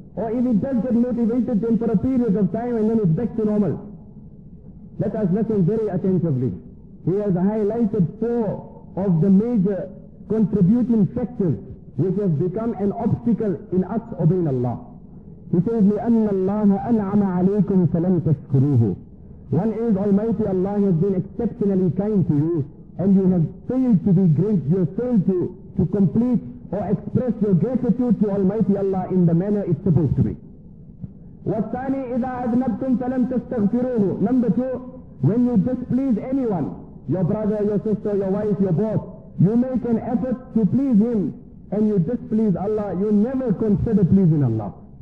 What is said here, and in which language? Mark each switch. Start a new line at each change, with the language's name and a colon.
English: Or if it does get motivated, then for a period of time and then it's back to normal. Let us listen very attentively. He has highlighted four of the major contributing factors which have become an obstacle in us obeying Allah. He says,
Arabic: لِأَنَّ اللَّهَ أَنْعَمَ عَلَيْكُمْ فَلَمْ تَشْكُرُوهُ.
English: One is, Almighty Allah has been exceptionally kind to you, and you have failed to be great, you have failed to complete or express your gratitude to Almighty Allah in the manner it's supposed to be.
Arabic: وَالثَّانِي إِذَا أَذْنَبْتُمْ فَلَمْ تَسْتَغْفِرُوهُ.
English: Number two, when you displease anyone, your brother, your sister, your wife, your boss, you make an effort to please him and you displease Allah, you never consider pleasing Allah.